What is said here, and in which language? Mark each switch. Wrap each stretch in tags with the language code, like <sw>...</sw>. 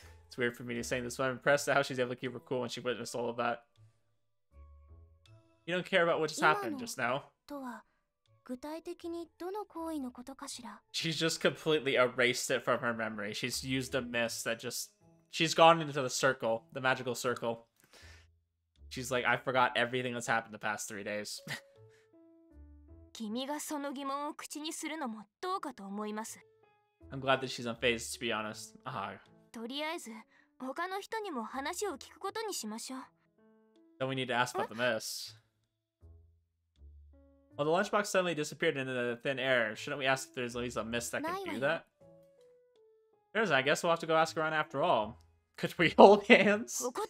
<en>It's weird for me to say this, but I'm impressed at how she's able to keep her cool when she witnessed all of that. You don't care about what just happened just now.</en> <ja>今のとは具体的にどの行為のことかしら?</ja> <en>She's just completely erased it from her memory. She's used a mist that just... She's gone into the circle, the magical circle. She's like, I forgot everything that's happened the past 3 days.</en> <ja>君がその疑問を口にするのもどうかと思います。</ja> <en>I'm glad that she's unfazed, to be honest.</en> <ja>とりあえず、他の人にも話を聞くことにしましょう。</ja> <en>Then we need to ask about the mess. Well, the lunchbox suddenly disappeared into the thin air. Shouldn't we ask if there's at least a mist that can do that? There's, I guess we'll have to go ask around after all. Could we hold hands?</en>